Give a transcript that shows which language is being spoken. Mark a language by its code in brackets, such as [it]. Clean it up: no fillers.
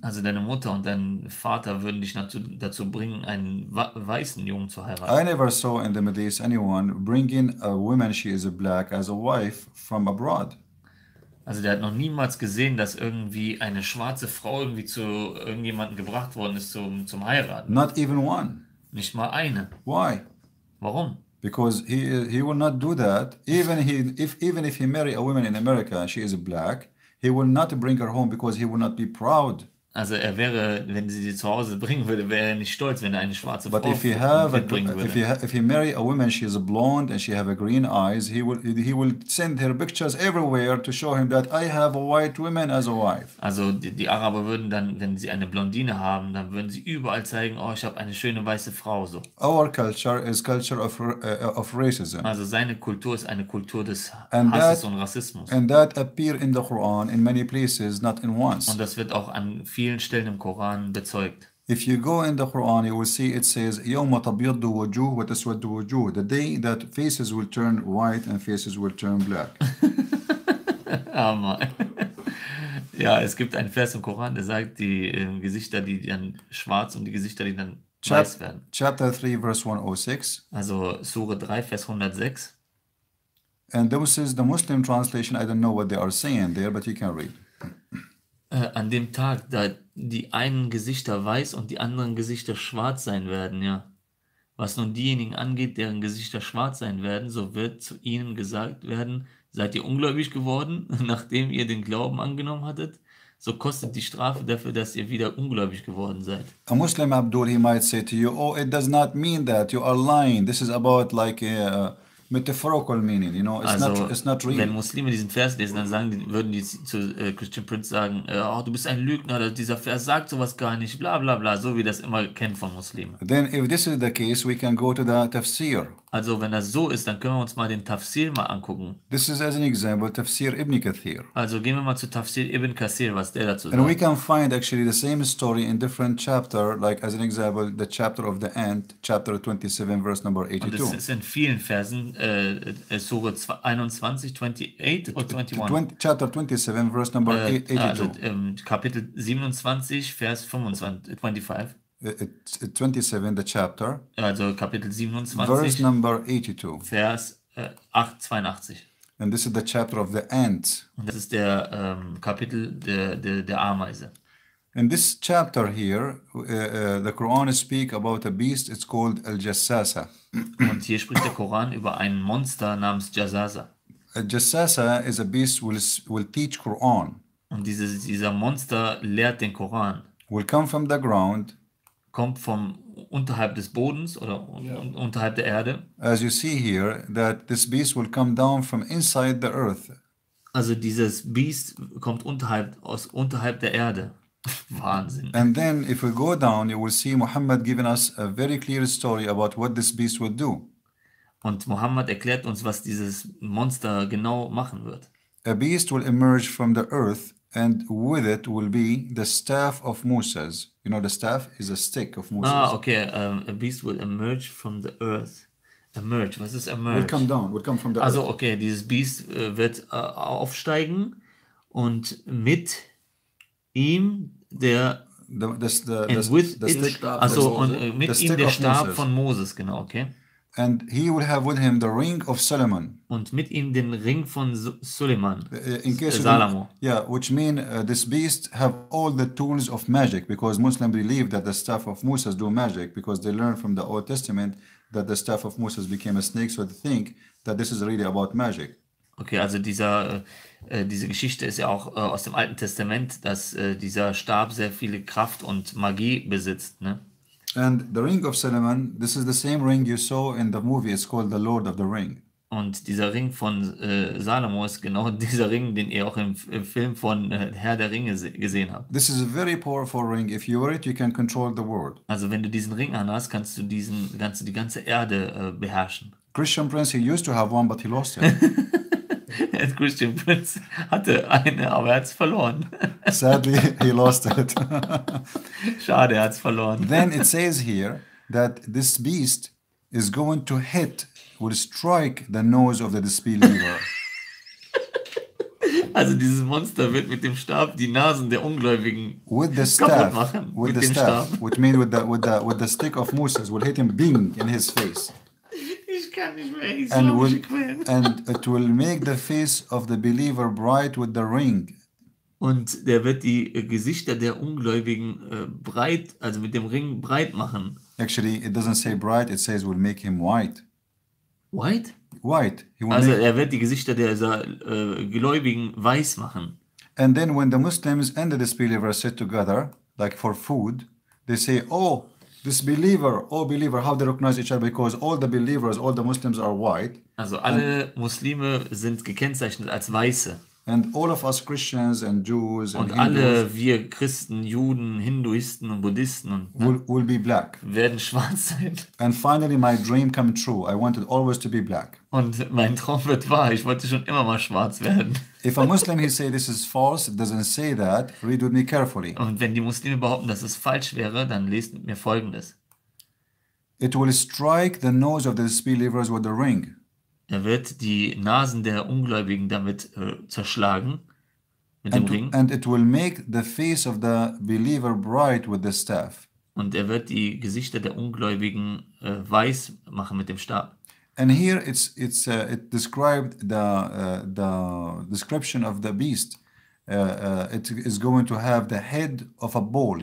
[de] Also deine Mutter und dein Vater würden dich dazu bringen, einen weißen Jungen zu heiraten. [en] I never saw in the Middle East anyone bringing a woman, she is a black, as a wife from abroad. [de] Also der hat noch niemals gesehen, dass irgendwie eine schwarze Frau irgendwie zu irgendjemandem gebracht worden ist zum Heiraten. [en] Not even one. [de] Nicht mal eine. [en] Why? [de] Warum? [en] Because he will not do that. Even if he marry a woman in America and she is black, he will not bring her home because he will not be proud. [de] Also er wäre, wenn sie sie zu Hause bringen würde, wäre er nicht stolz, wenn er eine schwarze [en] But [de] Frau [en] if he have [de] mitbringen würde. [en] If he marry a woman, she is blonde and she have a green eyes, he will send her pictures everywhere to show him that I have a white woman as a wife. [de] Also die Araber würden dann, wenn sie eine Blondine haben, dann würden sie überall zeigen, oh, ich habe eine schöne weiße Frau. [en] So. Our culture is culture of racism. [de] Also seine Kultur ist eine Kultur des Hasses und Rassismus. [en] And that appear in the Quran in many places, not in once. [de] Und das wird auch an vielen Stellen im Koran bezeugt. [en] If you go in the Quran, you will see it says [ar] يوم تبيض وجوه وتسود وجوه. [en] The day that faces will turn white and faces will turn black. [de] Ja, es gibt einen Vers im Koran, der sagt, die Gesichter, die dann schwarz und die Gesichter, die dann weiß werden. [en] Chapter 3, verse 106. [de] Also Sure 3, Vers 106. [en] And this is the Muslim translation. I don't know what they are saying there, but you can read. [de] An dem Tag, da die einen Gesichter weiß und die anderen Gesichter schwarz sein werden, ja. Was nun diejenigen angeht, deren Gesichter schwarz sein werden, so wird zu ihnen gesagt werden, seid ihr ungläubig geworden, nachdem ihr den Glauben angenommen hattet? So kostet die Strafe dafür, dass ihr wieder ungläubig geworden seid. [en] A Muslim Abdul, he might say to you, oh, it does not mean that, you are lying, this is about like a... metaphorical meaning, you know, it's not real. [de] Wenn Muslime diesen Vers lesen, dann sagen, würden die zu Christian Prince sagen, oh, du bist ein Lügner, dieser Vers sagt sowas gar nicht, bla bla bla, so wie das immer kennt von Muslimen. [en] Then if this is the case, we can go to the Tafsir. [de] Also wenn das so ist, dann können wir uns mal den Tafsir mal angucken. [en] This is as an example, Tafsir Ibn Kathir. [de] Also gehen wir mal zu Tafsir Ibn Kathir, was der dazu [en] And And we can find actually the same story in different chapter, like as an example, the chapter of the end, chapter 27, verse number 82. [de] Und das ist in vielen Versen, Sure 21, 28 und 21. [en] Chapter 27, verse number 82. [de] Also Kapitel 27, Vers 25. 25. [en] It's 27, the chapter. [de] Also Kapitel 27. [en] Verse number 82. [de] Vers 82. [en] And this is the chapter of the ant. [de] Und das ist der Kapitel der Ameise. [en] In this chapter here, the Quran speaks about a beast, it's called Al-Jassasa. [de] Und hier spricht der Koran über einen Monster namens Jassasa. [en] Al-Jassasa is a beast will teach Quran. [de] Und dieser Monster lehrt den Koran. [en] Will come from the ground. [de] Kommt vom unterhalb des Bodens oder unterhalb der Erde. [en] As you see here, that this beast will come down from inside the earth. [de] Also dieses Biest kommt unterhalb der Erde. Wahnsinn. [en] And then if we go down, you will see Muhammad giving us a very clear story about what this beast would do. [de] Und Muhammad erklärt uns, was dieses Monster genau machen wird. [en] A beast will emerge from the earth and with it will be the staff of Moses. You know, the staff is a stick of Moses. Ah, okay. A beast will emerge from the earth. Emerge, [de] was ist [en] emerge? Will come down, will come from the [de] also, [en] earth. [de] Also, okay, dieses Biest wird aufsteigen und mit ihm der Stab von Moses, genau, okay. [en] And he will have with him the ring of Solomon. [de] Und mit ihm den Ring von Suleiman. [en] In case [de] Salomo. [en] Yeah, which mean this beast have all the tools of magic, because Muslims believe that the staff of Moses do magic, because they learn from the Old Testament that the staff of Moses became a snake, so they think that this is really about magic. [de] Okay, also diese Geschichte ist ja auch aus dem Alten Testament, dass dieser Stab sehr viele Kraft und Magie besitzt, ne? [en] And the ring of Solomon, this is the same ring you saw in the movie, it's called the Lord of the Ring. [de] Und dieser Ring von Salomo ist genau dieser Ring, den ihr auch im Film von Herr der Ringe gesehen habt. [en] This is a very powerful ring. If you wear it, you can control the world. [de] Also wenn du diesen Ring anhast, kannst du die ganze Erde beherrschen. [en] Christian Prince, he used to have one, but he lost it. [de] And Christian Prince hatte eine, aber er hat es verloren. [en] Sadly, he lost it. [de] Schade, er hat es verloren. [en] Then it says here that this beast is going to hit, will strike the nose of the disbeliever. [de] Also dieses Monster wird mit dem Stab die Nasen der Ungläubigen [en] with the staff, [de] kaputt machen. [en] With [de] mit [en] the staff, [de] dem Stab. [en] Which means with the stick of Moses, will hit him bing in his face. And it will make the face of the believer bright with the ring. [de] Und der wird die Gesichter der Ungläubigen breit, also mit dem Ring breit machen. [en] Actually, it doesn't say bright, it says will make him white. White? White. He will also make... [de] er wird die Gesichter der Gläubigen weiß machen. [en] And then when the Muslims and the disbelievers sit together, like for food, they say, oh, this believer, oh believer, how they recognize each other, because all the believers, all the Muslims are white. [de] Also alle Muslime sind gekennzeichnet als Weiße. [en] And all of us Christians and Jews [de] und Und alle wir Christen, Juden, Hinduisten und Buddhisten und, [en] will be black. [de] Werden schwarz sein. [en] And finally my dream come true. I wanted always to be black. [de] Und mein Traum wird wahr. Ich wollte schon immer mal schwarz werden. [en] If a Muslim he say this is false, it doesn't say that, read with me carefully. [de] Und wenn die Muslime behaupten, dass es falsch wäre, dann lest mit mir Folgendes. [en] It will strike the nose of the disbelievers with the ring. [de] Er wird die Nasen der Ungläubigen damit zerschlagen mit dem Ring. [en] And it will make the face of the believer bright with the staff. [de] Und er wird die Gesichter der Ungläubigen weiß machen mit dem Stab. [en] And here it described the description of the beast. It is going to have the head of a bull.